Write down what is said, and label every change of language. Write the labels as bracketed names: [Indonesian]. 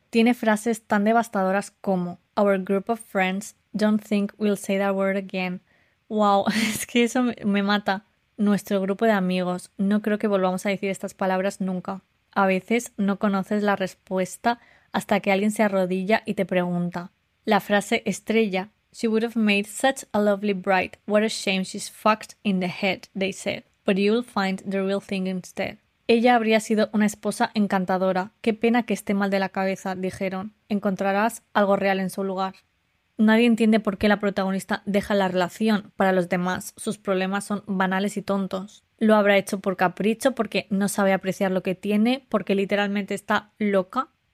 [Spanish] Tiene frases tan devastadoras como [English] "Our group of friends don't think we'll say that word again". ¡Wow! [Spanish] Es que eso me mata. Nuestro grupo de amigos, no creo que volvamos a decir estas palabras nunca. A veces no conoces la respuesta hasta que alguien se arrodilla y te pregunta. La frase estrella, [English] "She would have made such a lovely bride. What a shame she's fucked in the head", they said. But you'll find the real thing instead. [Spanish] Ella habría sido una esposa encantadora. Qué pena que esté mal de la cabeza, dijeron. Encontrarás algo real en su lugar. Nadie entiende por qué la protagonista deja la relación. Para los demás, sus problemas son banales y tontos. ¿Lo habrá hecho por capricho, porque no sabe apreciar lo que tiene, porque literalmente está loca?